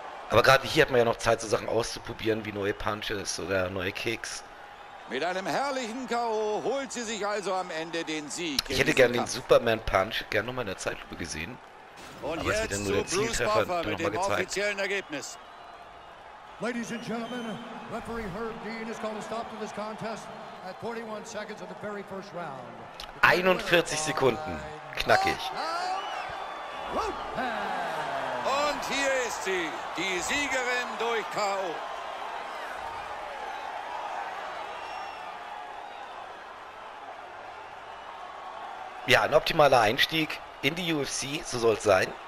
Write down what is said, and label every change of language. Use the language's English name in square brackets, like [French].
[German] Aber gerade hier hat man ja noch Zeit, so Sachen auszuprobieren, wie neue Punches oder neue Kicks. Mit einem herrlichen K.O. holt sie sich also am Ende den Sieg. Ich hätte gerne den Superman-Punch gerne nochmal in der Zeitlupe gesehen. Und aber jetzt ist wieder nur der Zieltreffer mit dem offiziellen Ergebnis. [English] Ladies and gentlemen, Referee Herb Dean has called a stop to this contest at 41 seconds of the very first round. [German] 41 Sekunden, knackig. Und hier ist sie, die Siegerin durch K.O. Ja, ein optimaler Einstieg in die UFC, so soll es sein.